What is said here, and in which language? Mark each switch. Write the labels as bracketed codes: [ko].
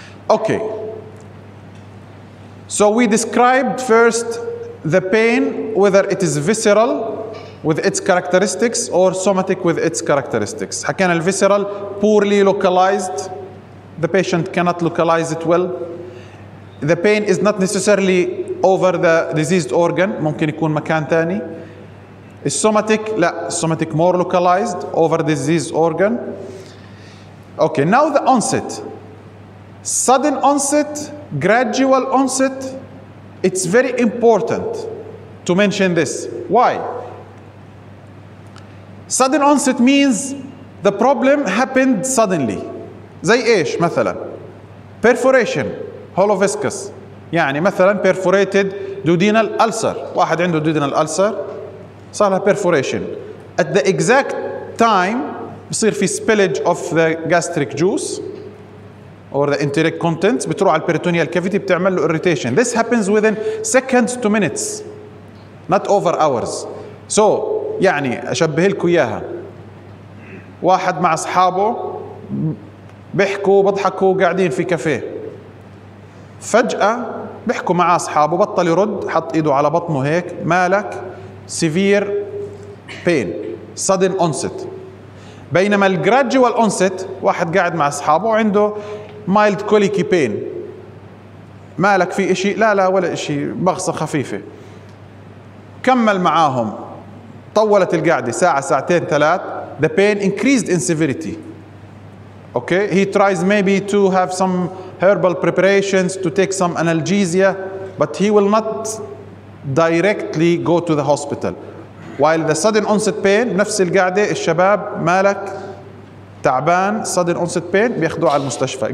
[en] Okay. So we described first the pain, whether it is visceral with its characteristics or somatic with its characteristics. [ar] حكينا الفيسيرال [en] poorly localized. The patient cannot localize it well. The pain is not necessarily over the diseased organ. [ar] ممكن يكون مكان ثاني. [en] Somatic, لا, somatic more localized over the diseased organ. Okay, now the onset. Sudden onset, gradual onset. It's very important to mention this. Why? Sudden onset means the problem happened suddenly. [ar] زي ايش مثلا? [en] Perforation, hollow viscus. [ar] يعني مثلا [en] perforated duodenal ulcer. [ar] واحد عنده [en] duodenal ulcer. صار لها perforation. At the exact time, بصير في spillage of the gastric juice or the enteric contents. [ar] بتروح على ال peritoneal cavity بتعمل له irritation. [en] This happens within seconds to minutes, not over hours. [ar] So, يعني أشبه لكم إياها. واحد مع أصحابه بيحكوا بضحكوا قاعدين في كافيه. فجأة بيحكوا مع أصحابه بطل يرد حط إيده على بطنه هيك مالك [en] severe pain sudden onset. [ar] بينما الـ gradual onset واحد قاعد مع أصحابه عنده mild colicky pain. مالك في إشي؟ لا لا ولا إشي بغصة خفيفة. كمل معاهم طولت القعدة ساعة ساعتين ثلاث. [en] The pain increased in severity. Okay, he tries maybe to have some herbal preparations, to take some analgesia, but he will not directly go to the hospital. While the sudden onset pain, [ar] نفس القعدة الشباب مالك تعبان sudden onset pain بياخذوه على المستشفى.